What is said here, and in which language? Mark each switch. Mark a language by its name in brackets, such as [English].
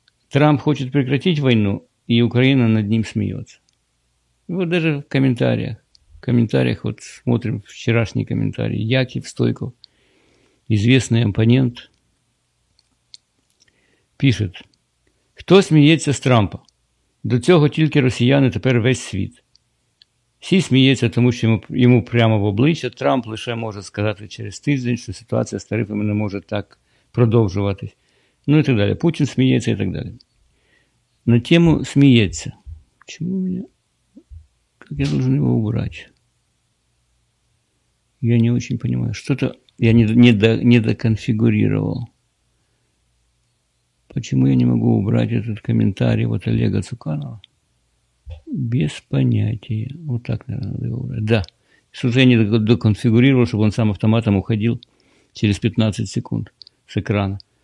[Russian] Трамп хочет прекратить войну, и Украина над ним смеется. Вот даже в комментариях. В комментариях, вот смотрим вчерашний комментарий. Яков Стойков, известный оппонент, пишет. [Ukrainian] Хто сміється з Трампа? До цього тільки росіяни, тепер весь світ. Всі сміються, тому що йому прямо в обличчя. Трамп лише може сказати через тиждень, що ситуація з тарифами не може так продовжуватись. Ну і так далі. Путін сміється і так далі. На тему сміється. Чому мене? Як я должен його убрати? Я не дуже розумію. Що-то я не доконфігурував. [Russian] Почему я не могу убрать этот комментарий вот Олега Цуканова? Без понятия. Вот так, наверное, надо его убрать. Да. Что-то я не доконфигурировал, чтобы он сам автоматом уходил через 15 секунд с экрана.